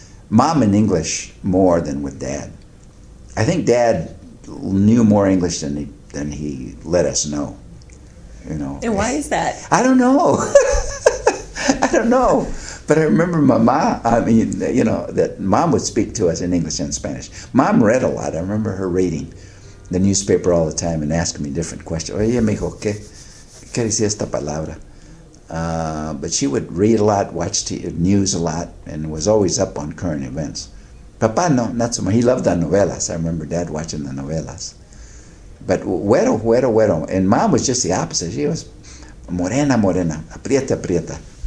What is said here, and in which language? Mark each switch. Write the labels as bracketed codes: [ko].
[en] Mom in English more than with Dad. I think Dad knew more English than he let us know. You know, and why is that? I don't know. I don't know. But I remember my mom, you know, that Mom would speak to us in English and Spanish. Mom read a lot. I remember her reading the newspaper all the time and asking me different questions. [es] Oye, mijo, ¿qué dice esta palabra? [en] But she would read a lot, watch news a lot, and was always up on current events. Papa, no, not so much. He loved the novelas. I remember Dad watching the novelas. [es] But güero, güero, güero. [en] And Mom was just the opposite. She was [es] morena, morena, aprieta, aprieta.